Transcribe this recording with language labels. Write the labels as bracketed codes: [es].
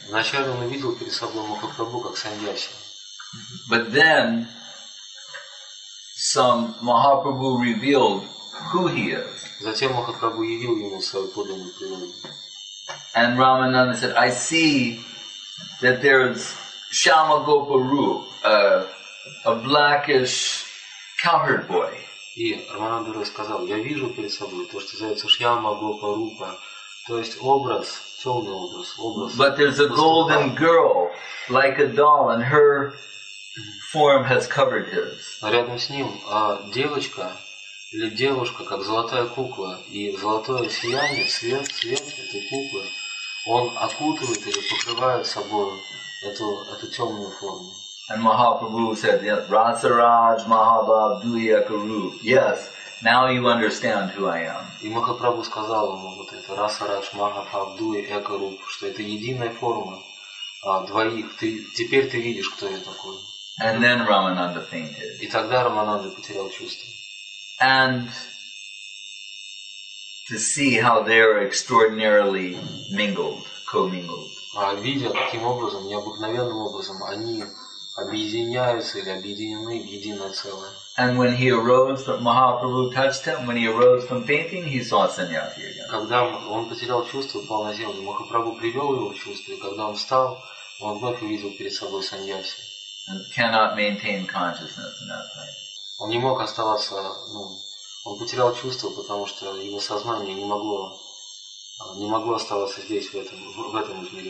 [ru] Вначале он увидел перед собой Махапрабху как саньяси. [en] But then some Mahaprabhu revealed who he is. [ru] Затем Махапрабху явил ему свою подлинную природу. [en] And Ramananda said, I see that there's Shyamagopuru, a blackish cowherd boy. [ru] И Рамананда сказал, я вижу перед собой то, что называется Шьямагопарупа, то есть образ, темный образ, образ. [en] But there's a golden girl, like a doll, and her form has covered his. [ru] А рядом с ним девочка или девушка, как золотая кукла, и золотое сияние, свет этой куклы, он окутывает или покрывает собой эту темную форму. [en] And Mahaprabhu said, yes, Rasaraj Mahabhav Duya Karu. Yes, now you understand who I am. [ru] И Махапрабху сказал ему вот это, Rasaraj Mahabhav Duya Karu, что это единая форма двоих. Ты теперь ты видишь, кто я такой. [en] And then Ramananda fainted. [ru] И тогда Рамананда потерял чувство. [en] And to see how they're extraordinarily mingled, co-mingled. [ru] А видя, каким образом, необыкновенным образом они объединяются или объединены в единое целое. [en] And when he arose, Mahaprabhu touched him. When he arose from fainting, he saw sannyasi again. [ru] Когда он потерял чувство, упал на землю, Махапрабху привел его в чувство, и когда он встал, он вновь увидел перед собой сандьяси. [en] And cannot maintain consciousness in that way. [ru] Он не мог оставаться, ну, он потерял чувство, потому что его сознание не могло оставаться здесь, в этом измерении.